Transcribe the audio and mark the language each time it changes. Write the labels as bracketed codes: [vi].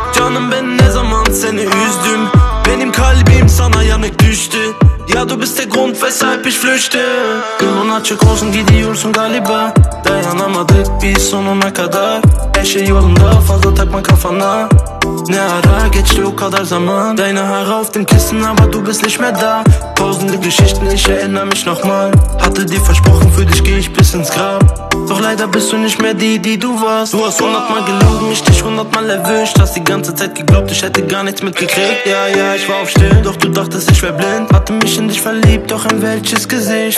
[tr] Canım ben ne zaman seni üzdüm? Benim kalbim sana yanık düştü. [de] Ya du bist der Grund, weshalb ich flüchte. [tr] Yolun açık olsun, gidiyorsun galiba. Dayanamadık biz sonuna kadar. Eşe yolunda, fazla takma kafana. Ne ara geçti o kadar zaman. [de] Deine Haare auf dem Kissen, aber du bist nicht mehr da. Tausende Geschichten, ich erinnere mich nochmal. Hatte dir versprochen, für dich geh ich bis ins Grab. Doch leider bist du nicht mehr die, die du warst. Du hast 100-mal gelogen, ich dich 100-mal erwischt. Hast die ganze Zeit geglaubt, ich hätte gar nichts mitgekriegt. Ja, ja, ich war auf still, doch du dachtest, ich wär blind. Hatte mich in dich verliebt, doch in welches Gesicht?